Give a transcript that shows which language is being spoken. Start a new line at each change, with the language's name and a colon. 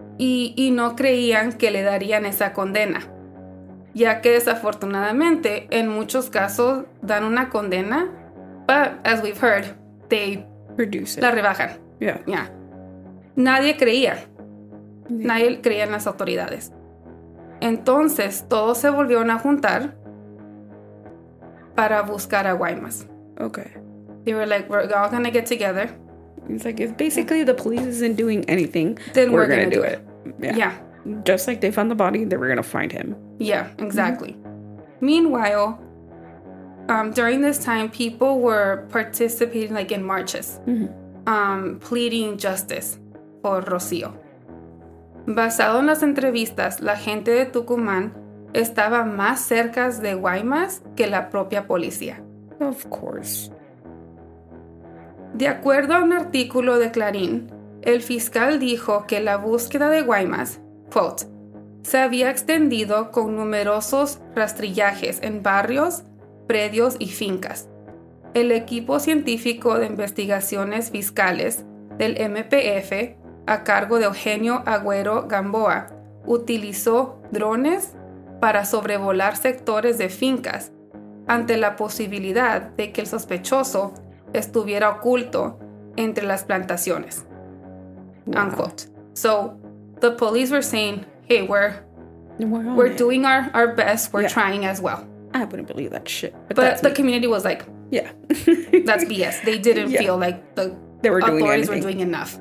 Spanish: Y no creían que le darían esa condena, ya que desafortunadamente en muchos casos dan una condena,
English: but as we've heard, they reduce it.
Spanish: La rebajan.
English: Yeah. Yeah.
Spanish: Nadie creía. Yeah. Nadie creía en las autoridades. Entonces, todos se volvieron a juntar para buscar a Guaymas.
English: Okay. They were like, we're all gonna get together. It's like, if basically the police isn't doing anything, then we're gonna do it. Yeah. Yeah. Just like they found the body, they were gonna find him. Yeah, exactly. Mm-hmm. Meanwhile, during this time, people were participating, like, in marches, pleading justice for Rocío.
Spanish: Basado en las entrevistas, la gente de Tucumán estaba más cerca de Guaymas que la propia policía.
English: Of course.
Spanish: De acuerdo a un artículo de Clarín, el fiscal dijo que la búsqueda de Guaymas, quote, se había extendido con numerosos rastrillajes en barrios, predios y fincas. El equipo científico de investigaciones fiscales del MPF, a cargo de Eugenio Agüero Gamboa, utilizó drones para sobrevolar sectores de fincas ante la posibilidad de que el sospechoso estuviera oculto entre las plantaciones.
English: Wow. Unquote. So, the police were saying, hey, we're doing our best. We're trying as well. I wouldn't believe that shit. But the community was like, yeah, that's BS. They didn't feel like the authorities were doing enough.